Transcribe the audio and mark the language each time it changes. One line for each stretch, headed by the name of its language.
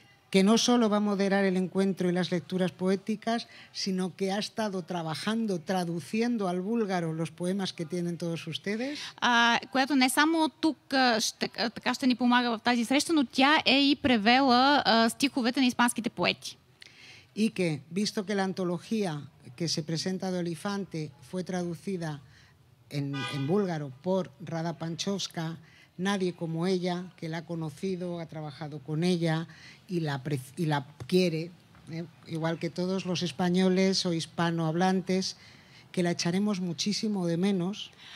Spanish: Que no solo va a moderar el encuentro y las lecturas poéticas, sino que ha estado trabajando, traduciendo al búlgaro los poemas que tienen todos ustedes.
Bulgarian: Която не само тук ще ни помага в тази среща, но тя е и превела стиховете на испанските поети.
Spanish: Y que, visto que la antología que se presenta de Olifante fue traducida en búlgaro por Rada Panchovska, nadie como ella, que la ha conocido, ha trabajado con ella y la quiere, igual que todos los españoles o hispanohablantes, que la echaremos muchísimo de menos.